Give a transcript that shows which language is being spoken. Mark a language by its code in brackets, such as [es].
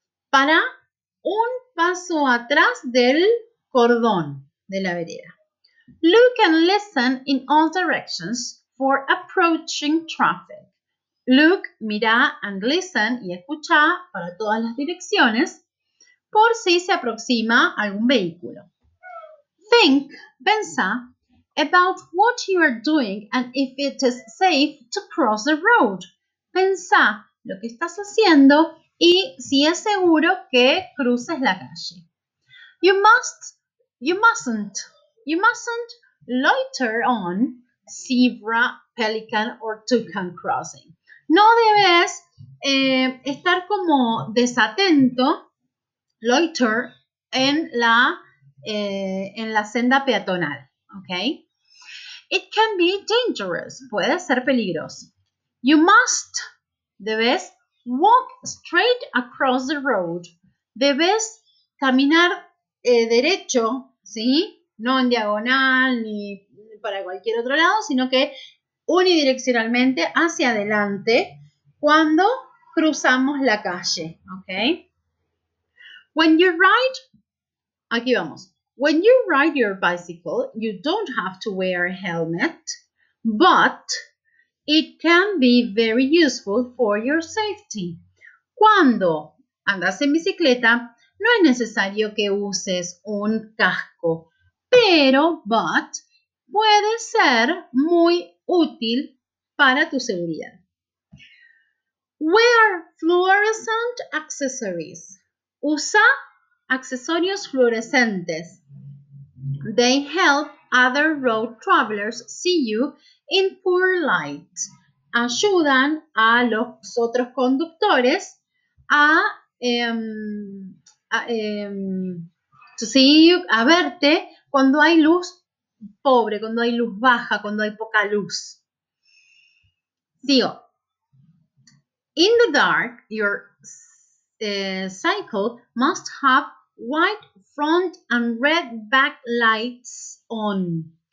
[es] Para un paso atrás del cordón de la vereda. [en] Look and listen in all directions for approaching traffic. Look, [es] mira [en] and listen [es] y escucha para todas las direcciones por si se aproxima algún vehículo. [en] Think, [es] pensa [en] about what you are doing and if it is safe to cross the road. [es] Pensa lo que estás haciendo y si es seguro que cruces la calle. [en] You mustn't loiter on zebra, pelican or toucan crossing. [es] No debes estar como desatento, loiter, en la senda peatonal, ¿ok? [en] It can be dangerous, [es] puede ser peligroso. [en] You must, [es] debes, [en] walk straight across the road. [es] Debes caminar derecho, ¿sí? No en diagonal ni para cualquier otro lado, sino que unidireccionalmente hacia adelante cuando cruzamos la calle, ¿okay? [en] When you ride, [es] aquí vamos. [en] When you ride your bicycle, you don't have to wear a helmet, but it can be very useful for your safety. [es] Cuando andas en bicicleta, no es necesario que uses un casco, pero [en] but [es] puede ser muy útil para tu seguridad. [en] Wear fluorescent accessories. [es] Usa accesorios fluorescentes. [en] They help other road travelers see you in poor light. [es] Ayudan a los otros conductores a verte cuando hay luz pobre, cuando hay luz baja, cuando hay poca luz. Sigo. [en] In the dark, your cycle must have white front and red back lights on.